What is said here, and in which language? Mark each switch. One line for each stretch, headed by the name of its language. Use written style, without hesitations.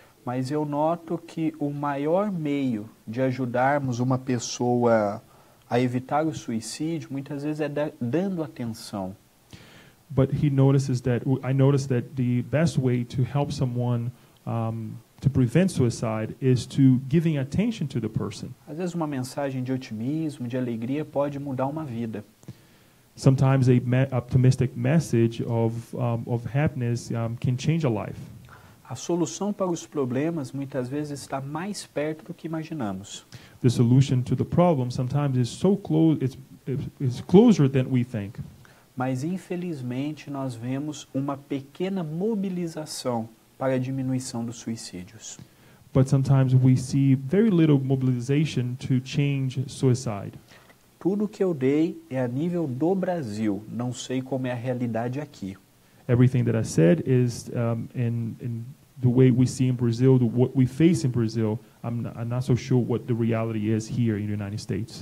Portuguese: Mas eu noto que o maior meio de ajudarmos uma pessoa a evitar o suicídio muitas vezes é dando atenção.
English: But I noticed that the best way to help someone to prevent suicide is to giving attention to the person.
Portuguese: Às vezes uma mensagem de otimismo, de alegria pode mudar uma vida.
English: Sometimes a optimistic message of happiness can change a life.
Portuguese: A solução para os problemas muitas vezes está mais perto do que imaginamos.
English: The solution to the problem sometimes is so close, it's closer than we think.
Portuguese: Mas infelizmente nós vemos uma pequena mobilização para a diminuição dos suicídios.
English: But sometimes we see very little mobilization to change suicide.
Portuguese: Tudo que eu dei é a nível do Brasil. Não sei como é a realidade aqui.
English: Everything that I said is in the way we see in Brazil, what we face in Brazil. I'm not so sure what the reality is here in the United States.